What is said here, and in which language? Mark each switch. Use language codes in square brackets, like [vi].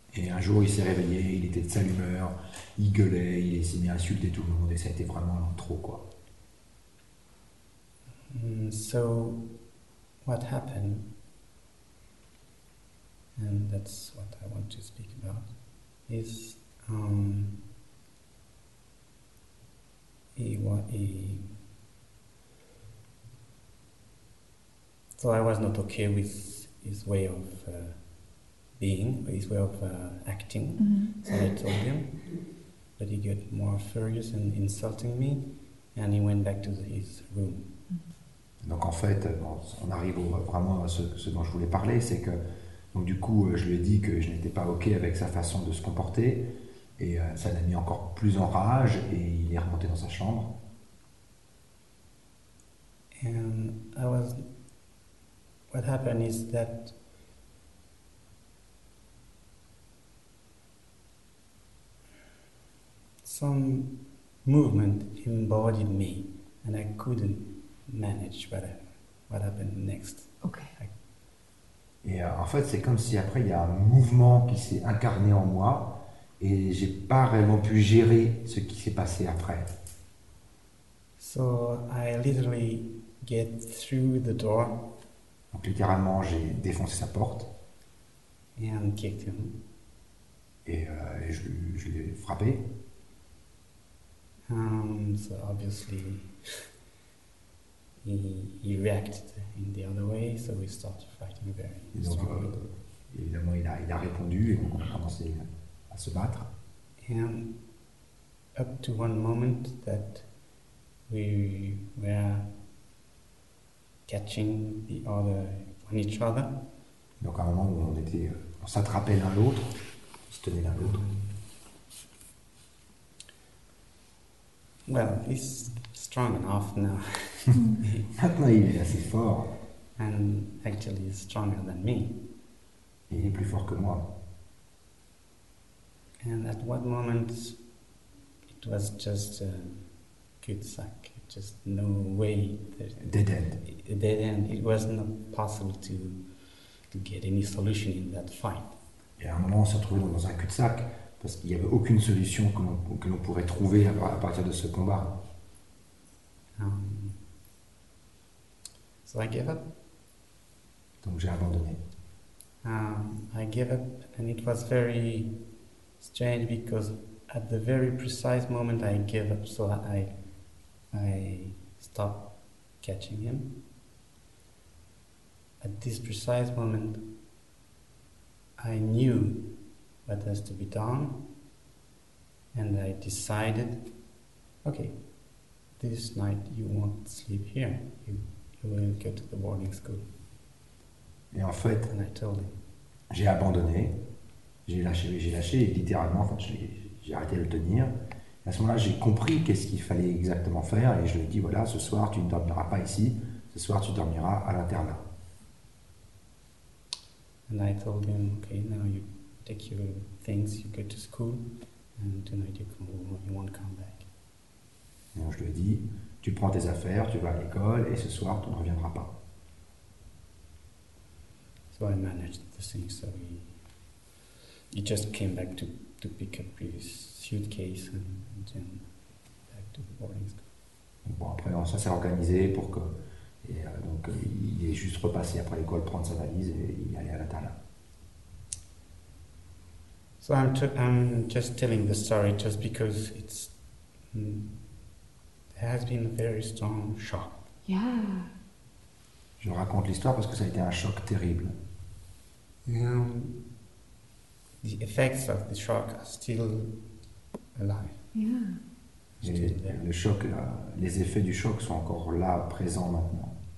[fr] Et un jour, il s'est réveillé, il était de sale humeur, il gueulait, il s'est mis à insulter tout le monde, et ça a été vraiment trop, quoi. [en] So, what happened, and that's what I want to speak about, is so I was not okay with his way of being, his way of acting, mm-hmm. So I told him, but he got more furious and insulting me, and he went back to his room. [fr] Donc en fait, on arrive vraiment à ce dont je voulais parler, c'est que donc du coup, je lui ai dit que je n'étais pas ok avec sa façon de se comporter, et ça l'a mis encore plus en rage, et il est remonté dans sa chambre. [en] And I was, what happened is that. some movement embodied me, and I couldn't manage what happened next. Okay. [fr] Et en fait, c'est comme si après il y a un mouvement qui s'est incarné en moi, et j'ai pas réellement pu gérer ce qui s'est passé après. [en] So I literally get through the door. [fr] Donc littéralement, j'ai défoncé sa porte. [en] And kicked him. [fr] Et je l'ai frappé. [en] So obviously he reacted in the other way, so we started fighting very [fr] Évidemment il a répondu et on a commencé à se battre. [en] And up to one moment that we were catching the other on each other. [fr] Donc à un moment où on s'attrapait l'un l'autre, on se tenait l'un l'autre. [en] Well, he's strong enough now. [fr] Maintenant, il est assez fort. [en] And actually, he's stronger than me. [fr] Il est plus fort que moi. [en] And at one moment, it was just a cul de sac. Just no way. Dead end. Dead end. It was not possible to get any solution in that fight. [fr] Et à un moment, on s'est retrouvé dans un cul de sac. Parce qu'il n'y avait aucune solution que l'on pourrait trouver à partir de ce combat. [en] So I gave up. [fr] Donc j'ai abandonné. [en] I gave up, and it was very strange because at the very precise moment I gave up, so I stopped catching him. At this precise moment, I knew what has to be done, and I decided, okay, this night you won't sleep here, you will go to the boarding school. [fr] Et en fait, [en] and I told him. [fr] J'ai abandonné, j'ai lâché, littéralement, enfin, j'ai arrêté de le tenir. À ce moment-là, j'ai compris qu'est-ce qu'il fallait exactement faire, et je lui ai dit, voilà, ce soir tu ne dormiras pas ici, ce soir tu dormiras à l'internat. [en] And I told him, okay, now you take your things, you go to school, and tonight you won't come back. [fr] Donc je lui ai dit, tu prends tes affaires, tu vas à l'école, et ce soir tu ne reviendras pas. [en] So I managed the thing, so he just came back to pick up his suitcase and then back to the boarding school. [fr] Donc bon, après ça s'est organisé pour que. Et donc il est juste repassé après l'école, prendre sa valise et il est allé à l'internat. [en] So I'm just telling the story just because it's there has been a very strong shock. Yeah. [fr] Je raconte l'histoire parce que ça a été un choc terrible. [en] The effects of the shock are still alive. Yeah. Still there. [fr] Le choc, les effets du choc sont encore là, présents maintenant.